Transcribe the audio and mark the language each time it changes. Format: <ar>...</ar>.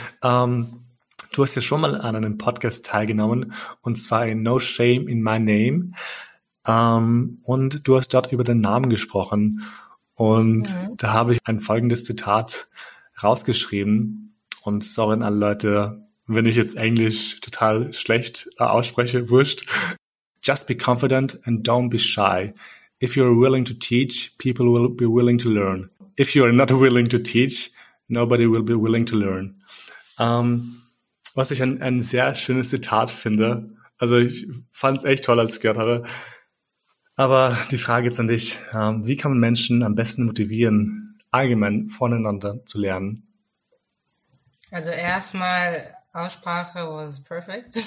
<de>Du hast ja schon mal an einem Podcast teilgenommen, und zwar in No Shame in My Name. Und du hast dort über den Namen gesprochen. Und da habe ich ein folgendes Zitat rausgeschrieben. Und sorry an alle Leute, wenn ich jetzt Englisch total schlecht ausspreche, wurscht.</de> <en>Just be confident and don't be shy. If you're willing to teach, people will be willing to learn. If you're not willing to teach, nobody will be willing to learn.</en> <de>Was ich ein sehr schönes Zitat finde. Also ich fand es echt toll, als ich gehört habe. Aber die Frage jetzt an dich, wie kann man Menschen am besten motivieren, allgemein voneinander zu lernen? Also erstmal, Aussprache</de> <en>was perfect.</en>